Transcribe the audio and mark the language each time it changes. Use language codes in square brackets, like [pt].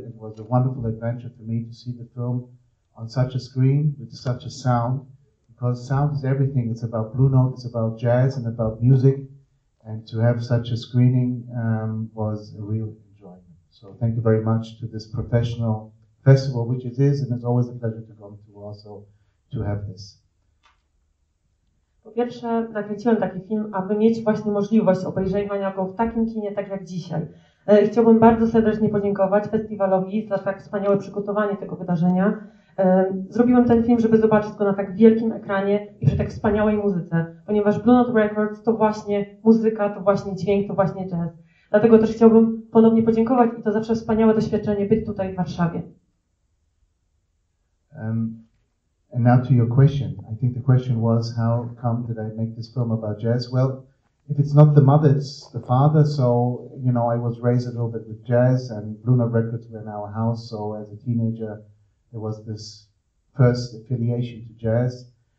[en] It was a wonderful adventure for me to see the film on such a screen with such a sound, because sound is everything. It's about Blue Note, it's about jazz and about music. And to have such a screening was a real enjoyment. So thank you very much to this professional festival, which it is, and it's always a pleasure to come to also to have this. [pl] Po pierwsze, nakręciłem taki film, aby mieć właśnie możliwość obejrzenia go w takim kinie, tak jak dzisiaj. Chciałbym bardzo serdecznie podziękować festiwalowi za tak wspaniałe przygotowanie tego wydarzenia. Zrobiłem ten film, żeby zobaczyć go na tak wielkim ekranie i przy tak wspaniałej muzyce, ponieważ Blue Note Records to właśnie muzyka, to właśnie dźwięk, to właśnie jazz. Dlatego też chciałbym ponownie podziękować i to zawsze wspaniałe doświadczenie być tutaj w Warszawie. [en] And now to your question. I think the question was, how come did I make this film about jazz? Well, if it's not the mother, it's the father. So, you know, I was raised a little bit with jazz and Blue Note Records were in our house. So as a teenager, there was this first affiliation to jazz.